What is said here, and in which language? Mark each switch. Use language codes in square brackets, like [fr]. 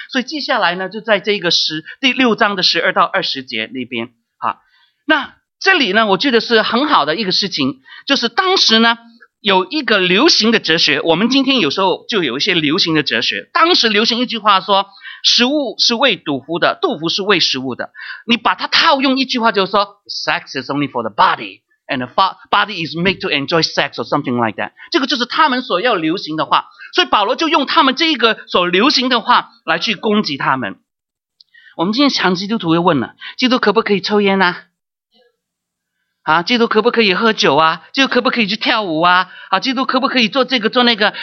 [zh] 所以接下来呢，就在这个第六章的十二到二十节那边啊。那这里呢，我觉得是很好的一个事情，就是当时呢有一个流行的哲学，我们今天有时候就有一些流行的哲学，当时流行一句话说，食物是为赌服的，赌服是为食物的。你把它套用一句话，就是说 [en] ，sex is only for the body, and the body is made to enjoy sex or something like that。 [zh] 这个就是他们所要流行的话，所以保罗就用他们这一个所流行的话来去攻击他们。我们今天强基督徒又问了：基督可不可以抽烟呢？啊，基督可不可以喝酒啊？基督可不可以去跳舞啊？啊，基督可不可以做这个做那个？